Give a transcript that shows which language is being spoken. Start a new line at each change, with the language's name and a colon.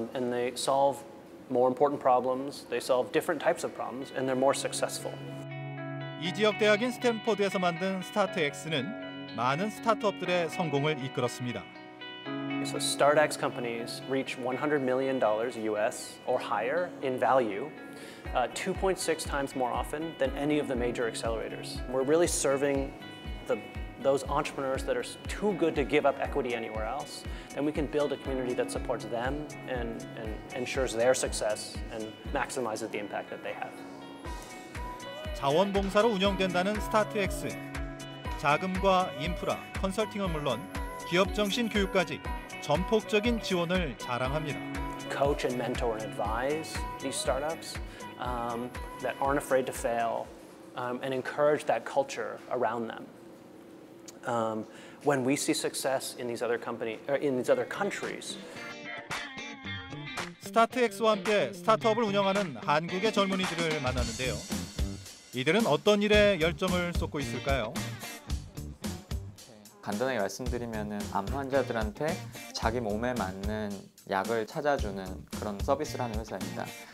English: And they solve more important problems, they solve different types of problems, and they're more successful.
Korean: 이 지역 대학인 스탠포드에서 만든 스타트X는 많은 스타트업들의 성공을 이끌었습니다.
English: So StartX companies reach $100 million US or higher in value 2.6 times more often than any of the major accelerators. We're really serving those entrepreneurs that are too good to give up equity anywhere else. And we can build a community that supports them and ensures their success and maximizes the impact that they have.
Korean: 자원봉사로 운영된다는 StartX. 자금과 인프라, 컨설팅은 물론 기업 정신 교육까지 전폭적인 지원을 자랑합니다.
English: Coach and mentor and advise these startups that aren't afraid to fail and encourage that culture around them. When we see success in these other companies, in these other countries.
Korean: 스타트X와 함께 스타트업을 운영하는 한국의 젊은이들을 만났는데요. 이들은 어떤 일에 열정을 쏟고 있을까요? 간단하게 말씀드리면은 암 환자들한테 자기 몸에 맞는 약을 찾아주는 그런 서비스를 하는 회사입니다.